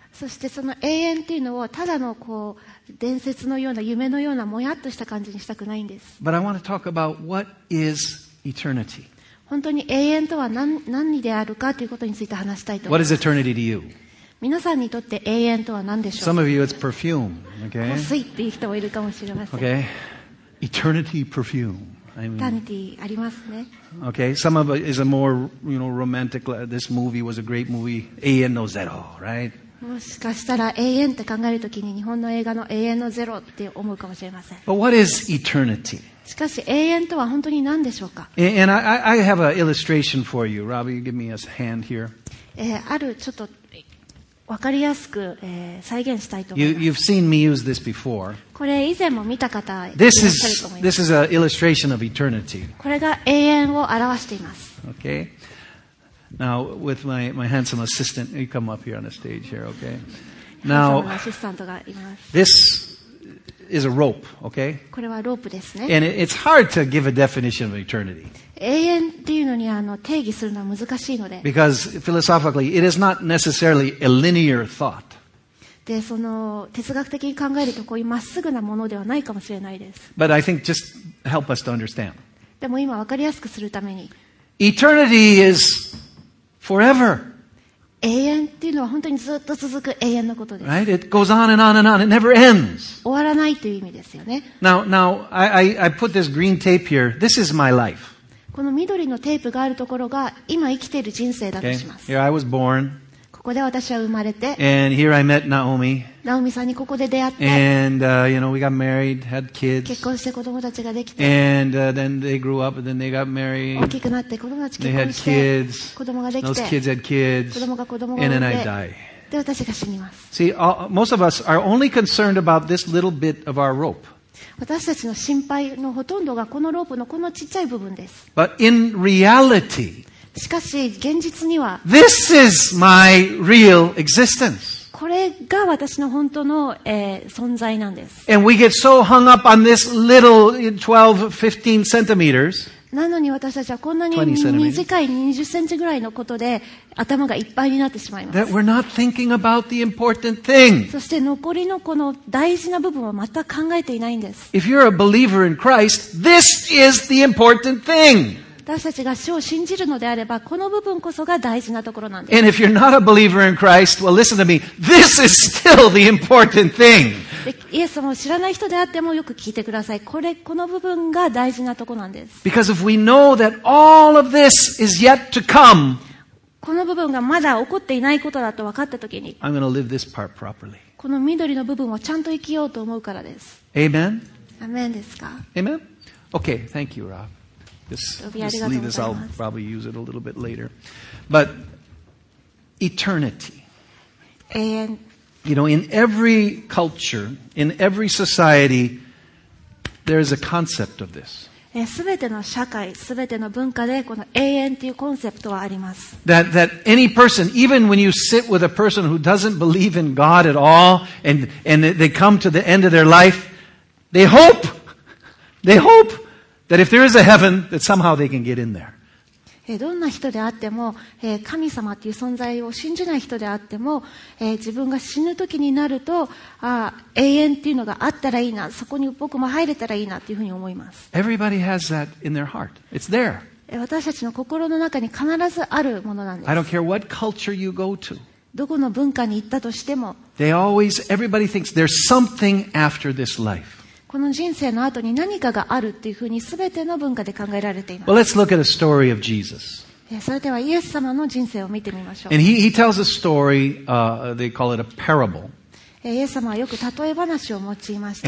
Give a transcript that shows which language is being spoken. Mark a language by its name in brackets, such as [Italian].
[Japanese] そしてその永遠というのをただのこう伝説のような夢のようなもやっとした感じにしたくないんです。 [English] But I want to talk about what is eternity. [Japanese] 本当に永遠とは 何であるかということについて話したいと思います。 [English] What is eternity to you? [Japanese] 皆さんにとって永遠とは何でしょう。 [English] Some of you it's perfume, okay? [Japanese] 香水っていう人もいるかもしれません。 [English] Okay. Eternity perfume, right? [Japanese] eternity ありますね。 [English] Okay, some of it is a more, you know, romantic. This movie was a great movie, 永遠のゼロ, right? [Japanese] もしかしたら永遠って考えるときに日本の映画の永遠のゼロって思うかもしれません。 [English] But what is eternity? [Japanese] しかし永遠とは本当に何でしょうか? [English] And I have an illustration for you. Robbie, you give me a hand here. [Japanese] あるちょっと分かりやすく、再現したいと思います。 [English] You've seen me use this before. [Japanese] これ以前も見た方いらっしゃると思います。 [English] This is an illustration of eternity. [Japanese] これが永遠を表しています。 [English] Okay. Now, with my handsome assistant, you come up here on the stage here, okay? Now, this is a rope, okay? [Japanese] これはロープですね。 [English] And it's hard to give a definition of eternity. [Japanese] 永遠っていうのに定義するのは難しいので。 [English] Because philosophically, it is not necessarily a linear thought. [Japanese] でその哲学的に考えるとこういうまっすぐなものではないかもしれないです。 [English] But I think just help us to understand. [Japanese] でも今わかりやすくするために。 [English] Eternity is... Forever. [Japanese] 永遠っていうのは本当にずっと続く永遠のことです。 [English] Right? It goes on and on and on. It never ends. [Japanese] 終わらないという意味ですよね。 [English] Now, I put this green tape here. This is my life. [Japanese] この緑のテープがあるところが今生きている人生だとします。 [English] Okay. Here I was born. [Japanese] ここで私は生まれて。 [English] And here I met Naomi. [Japanese] ナオミさんにここで出会って。 [English] And, you know, we got married, had kids. [Japanese] 結婚して子供たちができて。 [English] And, then they grew up and then they got married. [Japanese] 大きくなって子供たち結婚して。 [English] They had kids. [Japanese] 子供ができて。 [English] Those kids had kids. [Japanese] 子供が子供が産んで。 [English] And then I die. [Japanese] で、私が死にます。 [English] See, most of us are only concerned about this little bit of our rope. [Japanese] 私たちの心配のほとんどがこのロープのこのちっちゃい部分です。 [English] But in reality, [Japanese] しかし現実には [English] This is my real existence. [Japanese] これが私の本当の、存在なんです。 [English] And we get so hung up on this little 12, 15 centimeters. [Japanese] なのに私たちはこんなに短い20センチぐらいのことで頭がいっぱいになってしまいます。 [English] That we're not thinking about the important thing. [Japanese] そして残りのこの大事な部分は全く考えていないんです。 [English] If you're a believer in Christ, this is the important thing. [Japanese] 私たちが主を信じるのであればこの部分こそが大事なところなんです。 [English] And if you're not a believer in Christ, well, listen to me. This is still the important thing. [Japanese] イエス様を知らない人であってもよく聞いてください。これこの部分が大事なところなんです。 [English] Because if we know that all of this is yet to come, [Japanese] この部分がまだ起こっていないことだと分かったときに、 [English] I'm going to live this part properly. [Japanese] この緑の部分をちゃんと生きようと思うからです。 [English] Amen. [Japanese] Amen ですか。 [English] Amen. Okay. Thank you, Rob. Just leave this. I'll probably use it a little bit later. But eternity. And you know, in every culture, in every society, there is a concept of this. [Japanese] すべての社会、すべての文化でこの永遠というコンセプトはあります。 [English] That any person, even when you sit with a person who doesn't believe in God at all, and they come to the end of their life, they hope. They hope. That if there is a heaven, that somehow they can get in there. [Japanese] どんな人であっても、神様という存在を信じない人であっても、自分が死ぬ時になると、永遠というのがあったらいいな、そこに僕も入れたらいいなというふうに思います。 [English] Everybody has that in their heart. It's there. [Japanese] 私たちの心の中に必ずあるものなんです。 [English] I don't care what culture you go to. [Japanese] どこの文化に行ったとしても、 [English] They always, everybody thinks there's something after this life. [Japanese] この人生の後に何かがあるっていうふうに全ての文化で考えられています。 [English] Well, let's look at a story of Jesus. [Japanese] それではイエス様の人生を見てみましょう。 [English] And he tells a story, they call it a parable. [Japanese] イエス様はよく例え話を用いました。